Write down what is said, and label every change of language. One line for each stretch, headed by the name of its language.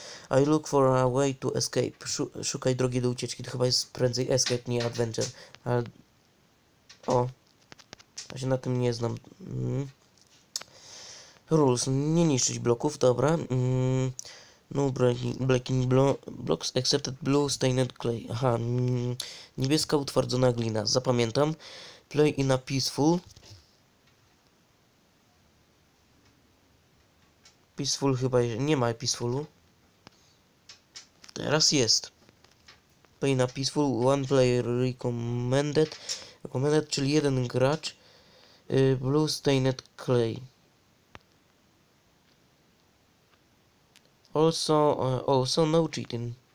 English: I look for a way to escape.
Polish: Szukaj drogi do ucieczki. To chyba jest prędzej escape, nie adventure. Ale... O. Ja się na tym nie znam. Rules. Nie niszczyć bloków. Dobra.
English: No breaking blocks accepted blue stained clay. Aha.
Polish: Niebieska utwardzona glina. Zapamiętam.
English: Play in a peaceful.
Polish: Peaceful chyba nie ma peacful'u. Teraz jest.
English: Play in a peaceful, one player recommended.
Polish: Recommended, czyli jeden gracz.
English: Blue stained clay. Also, also no cheating.